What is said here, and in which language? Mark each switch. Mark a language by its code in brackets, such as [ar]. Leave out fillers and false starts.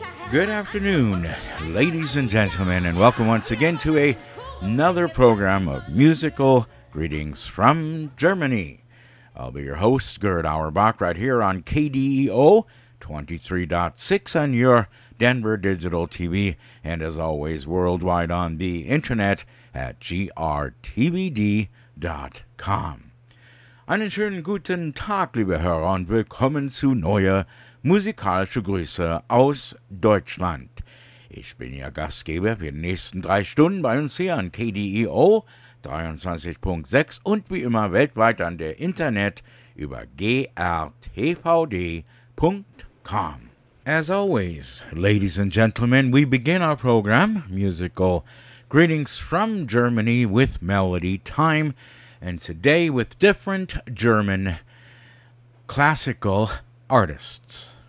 [en] Good afternoon, ladies and gentlemen, and welcome once again to another program of Musical Greetings from Germany. I'll be your host, Gerd Auerbach, right here on KDEO 23.6 on your Denver Digital TV, and as always, worldwide on the internet at grtvd.com. [de] Einen schönen guten Tag, liebe Hörer, und willkommen zu neuer musikalische Grüße aus Deutschland. Ich bin Ihr Gastgeber für die nächsten drei Stunden bei uns hier an KDEO 23.6 und wie immer weltweit an der Internet über grtvd.com. [en] As always, ladies and gentlemen, we begin our program, Musical Greetings from Germany, with Melody Time, and today with different German classical artists.